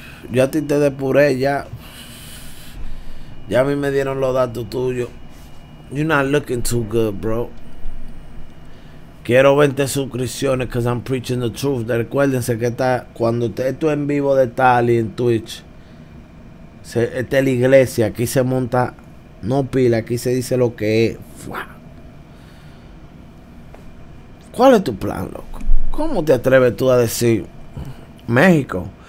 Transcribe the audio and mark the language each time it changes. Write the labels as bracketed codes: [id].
[es] Yo a ti te depuré ya. Ya a mí me dieron los datos tuyos. [en] You're not looking too good, bro. [es] Quiero 20 suscripciones, [en] because I'm preaching the truth. [es] Recuérdense que está, cuando esto en vivo de Tali en Twitch, esta es la iglesia. Aquí se monta, no pila, aquí se dice lo que es. ¡Fua! ¿Cuál es tu plan, loco? ¿Cómo te atreves tú a decir México?